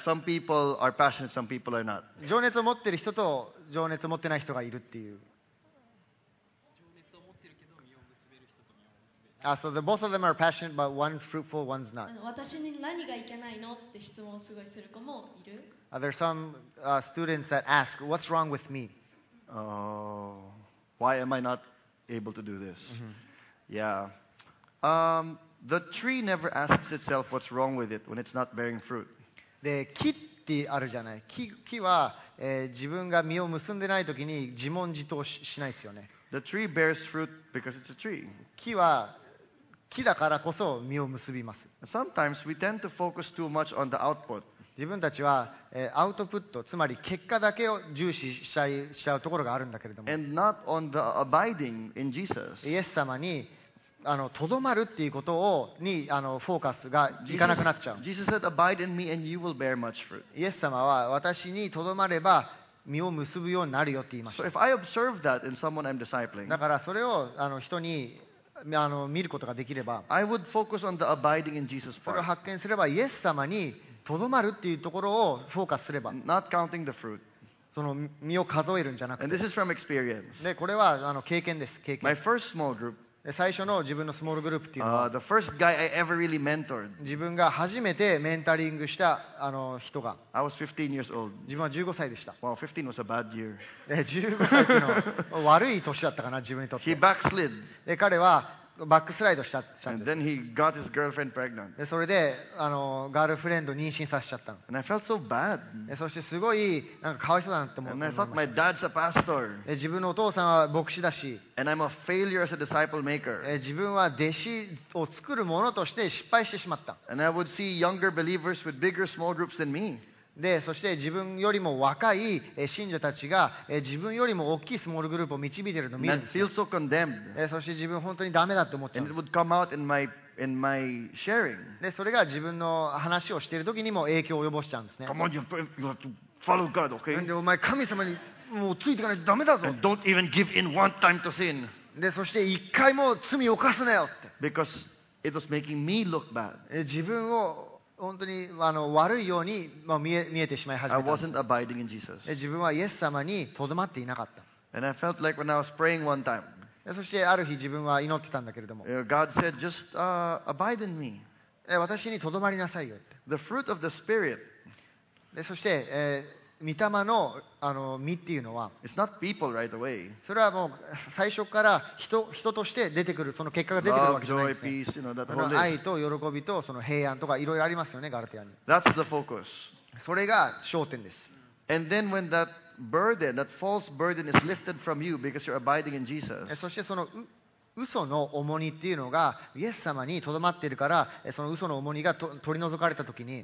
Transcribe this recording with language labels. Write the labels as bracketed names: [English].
[English] Some people are passionate, some people are not. [Japanese] 情熱を持ってる人と情熱を持ってない人がいるっていう。 [English] So the both of them are passionate, but one's fruitful, one's not. There are some students that ask, what's wrong with me? Why am I not able to do this? Mm-hmm. Yeah. The tree never asks itself what's wrong with it when it's not bearing fruit. [Japanese] で、木ってあるじゃない。木は、自分が実を結んでないときに自問自答しないですよね。 [English] The tree bears fruit because it's a tree. [Japanese] 木は木だからこそ実を結びます。 [English] Sometimes we tend to focus too much on the output. [Japanese] 自分たちは、アウトプット、つまり結果だけを重視しちゃうところがあるんだけれども。 [English] And not on the abiding in Jesus. [Japanese] イエス様にとどまるっていうことをにフォーカスがいかなくなっちゃう。 [English] Jesus said, "Abide in me, and you will bear much fruit." [Japanese] イエス様は私にとどまれば実を結ぶようになるよって言いました。 [English] So if I observe that in someone I'm discipling. [Japanese] だからそれを人に見ることができれば、 [English] I would focus on the abiding in Jesus part. [Japanese] それを発見すれば、イエス様にとどまるっていうところをフォーカスすれば、 [English] not counting the fruit. [Japanese] その実を数えるんじゃなくて、 [English] and this is from experience. [Japanese] で、これは経験です。経験。 [English] My first small group. [Japanese] 最初の自分のスモールグループっていうのは、 [English] the first guy I ever really mentored. [Japanese] 自分が初めてメンタリングした人が、 [English] I was 15 years old. [Japanese] 自分は15歳でした。 [English] Wow, 15 was a bad year. [Japanese] 15歳っていうのは悪い年だったかな自分にとって。 [English] He backslid. [Japanese] で、彼はバックスライドしちゃったんです。 [English] And then he got his girlfriend pregnant. [Japanese] で、それでガールフレンド妊娠させちゃったの。 [English] And I felt so bad. [Japanese] で、そしてすごいなんかかわいそうだなって思って。 [English] And I thought my dad's a pastor. [Japanese] で、自分のお父さんは牧師だし。 [English] And I'm a failure as a disciple maker. [Japanese] で、自分は弟子を作るものとして失敗してしまった。 [English] And I would see younger believers with bigger small groups than me. [Japanese] で、そして自分よりも若い信者たちが自分よりも大きいスモールグループを導いているのを見るんですよ。で、そして自分本当にダメだと思っちゃう。 [English] And it would come out in my sharing. [Japanese] で、それが自分の話をしている時にも影響を及ぼしちゃうんですね。 [English] Come on, you have to follow God, okay? [Japanese] で、お前神様にもうついていかないとダメだぞ。 [English] And don't even give in one time to sin. [Japanese] で、そして一回も罪を犯すなよって。 [English] Because it was making me look bad. [Japanese] 自分を本当に悪いように見えてしまい始めた。 [English] I wasn't abiding in Jesus. [Japanese] 自分はイエス様にとどまっていなかった。 [English] And I felt like when I was praying one time. [Japanese] そしてある日自分は祈ってたんだけれども。 [English] God said, just abide in me. [Japanese] 私にとどまりなさいよって。 [English] The fruit of the Spirit. [Japanese] そして、御霊の実っていうのは、 [English] It's not people right away. [Japanese] それはもう最初から 人として出てくるその結果が出てくるわけじゃないですね。 [English] Love, joy, peace, you know, [Japanese] 愛と喜びとその平安とかいろいろありますよね、ガラテヤに。 [English] That's the focus. [Japanese] それが焦点です。 [English] And then when that burden, that false burden is lifted from you because you're abiding in Jesus. [Japanese] そしてその嘘の重荷っていうのがイエス様にとどまっているからその嘘の重荷が取り除かれたときに